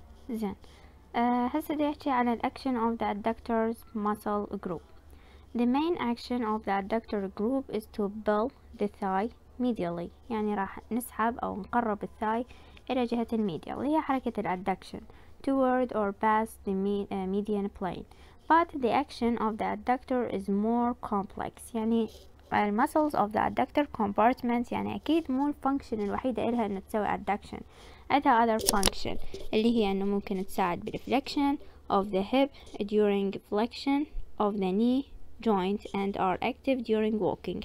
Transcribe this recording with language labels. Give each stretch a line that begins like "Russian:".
Arabic: زين هسه بدي احكي على
English: الاكشن of the adductors muscle group. The main action of the adductor group is to pull the thigh medially,
Arabic: يعني راح نسحب او نقرب الثاي الى جهة الميديال، هي حركة الادكشن
English: toward or past the median plane. But the action of the adductor is more complex.
Arabic: يعني muscles of the adductor compartments يعني أكيد مو الفانكشن الوحيدة إلها إنه تسوي adduction.
English: أدها other function
Arabic: اللي هي إنه ممكن تساعد
English: بالflexion of the hip during flexion of the knee joint and are active during walking.